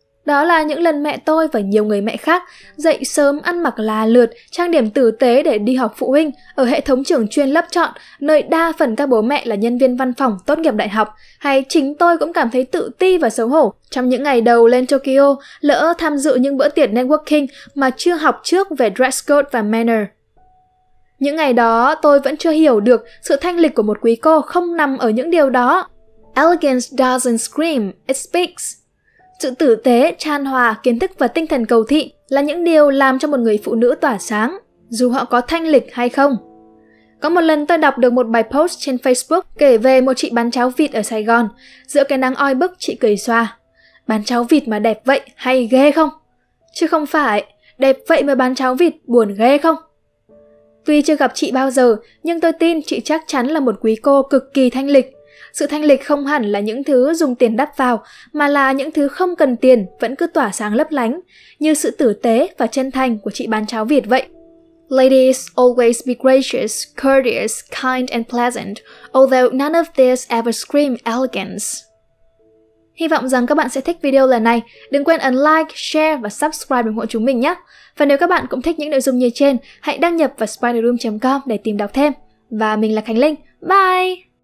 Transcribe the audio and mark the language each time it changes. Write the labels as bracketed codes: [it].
[vi] Đó là những lần mẹ tôi và nhiều người mẹ khác dậy sớm ăn mặc là lượt, trang điểm tử tế để đi học phụ huynh ở hệ thống trường chuyên lớp chọn, nơi đa phần các bố mẹ là nhân viên văn phòng tốt nghiệp đại học, hay chính tôi cũng cảm thấy tự ti và xấu hổ trong những ngày đầu lên Tokyo, lỡ tham dự những bữa tiệc networking mà chưa học trước về dress code và manner. Những ngày đó, tôi vẫn chưa hiểu được sự thanh lịch của một quý cô không nằm ở những điều đó. [en] Elegance doesn't scream, it speaks. [vi] Sự tử tế, chan hòa, kiến thức và tinh thần cầu thị là những điều làm cho một người phụ nữ tỏa sáng, dù họ có thanh lịch hay không. Có một lần tôi đọc được một bài post trên Facebook kể về một chị bán cháo vịt ở Sài Gòn, giữa cái nắng oi bức chị cười xòa. Bán cháo vịt mà đẹp vậy hay ghê không? Chứ không phải, đẹp vậy mà bán cháo vịt buồn ghê không? Tuy chưa gặp chị bao giờ, nhưng tôi tin chị chắc chắn là một quý cô cực kỳ thanh lịch. Sự thanh lịch không hẳn là những thứ dùng tiền đắp vào, mà là những thứ không cần tiền vẫn cứ tỏa sáng lấp lánh, như sự tử tế và chân thành của chị bán cháo vịt vậy. [en] Ladies always be gracious, courteous, kind and pleasant, although none of this ever scream elegance. [vi] Hy vọng rằng các bạn sẽ thích video lần này. Đừng quên ấn like, share và subscribe ủng hộ chúng mình nhé. Và nếu các bạn cũng thích những nội dung như trên, hãy đăng nhập vào spiderroom.com để tìm đọc thêm. Và mình là Khánh Linh. Bye!